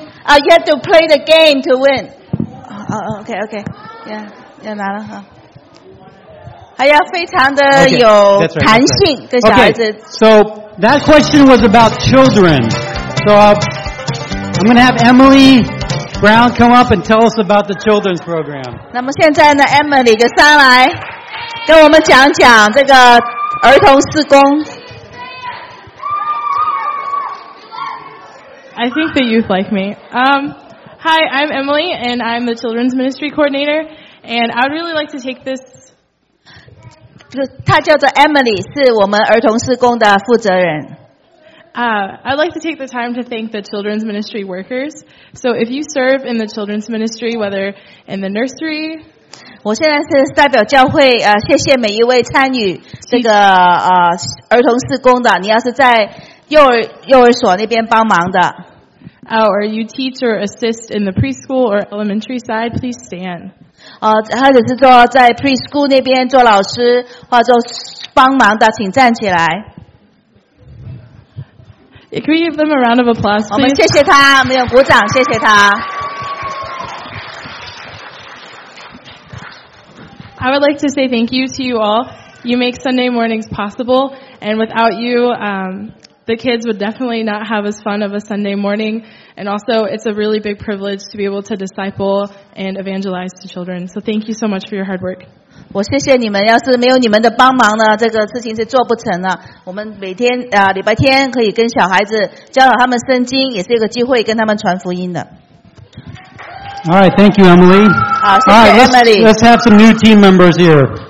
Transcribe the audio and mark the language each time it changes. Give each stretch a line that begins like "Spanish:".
English: You have to play the game to win. Okay. Yeah,
Chinese: 要拿了。还要非常的有弹性跟小孩子。
English: So that question was about children. So I'm going to have Emily... Brown, come up and tell us about the children's program.
Chinese: 那么现在呢 ，Emily 就上来跟我们讲讲这个儿童事工。
English: I think the youth like me. Hi, I'm Emily, and I'm the children's ministry coordinator. And I'd really like to take this.
Chinese: 她叫做 Emily， 是我们儿童事工的负责人。
English: I'd like to take the time to thank the children's ministry workers. So if you serve in the children's ministry, whether in the nursery,
Chinese: 我现在是代表教会，谢谢每一位参与这个儿童事工的。你要是在幼儿所那边帮忙的
English: or you teach or assist in the preschool or elementary side, please stand.
Chinese: 或者是说在 preschool 那边做老师或者帮忙的，请站起来。
English: Can we give them a round of applause, please?
Chinese: 我们谢谢他，我们用鼓掌谢谢他。
English: I would like to say thank you to you all. You make Sunday mornings possible, and without you, the kids would definitely not have as fun of a Sunday morning. And also, it's a really big privilege to be able to disciple and evangelize to children. So thank you so much for your hard work.
Chinese: 我谢谢你们，要是没有你们的帮忙呢，这个事情是做不成了。我们每天礼拜天可以跟小孩子教导他们圣经，也是一个机会跟他们传福音的。
English: All right, thank you, Emily.
Chinese: 好，谢谢 Emily.
English: All right, let's have some new team members here.